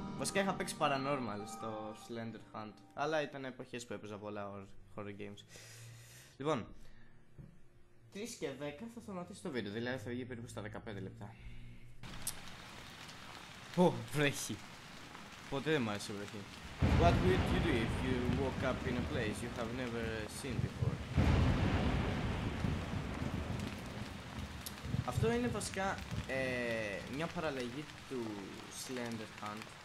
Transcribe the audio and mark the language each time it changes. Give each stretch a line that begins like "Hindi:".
Greek: Βασικά είχα παίξει paranormal στο Slender Hunt, αλλά ήταν εποχές που έπαιζα πολλά horror games. Λοιπόν, 3 και 10 θα σταματήσει το βίντεο, δηλαδή θα βγει περίπου στα 15 λεπτά. Πω, βρέχει. Ποτέ δεν μου άρεσε η βροχή.
English: What would you do if you woke up in a place you have never seen before?
Greek: Αυτό είναι βασικά μια παραλλαγή του Slender Hunt.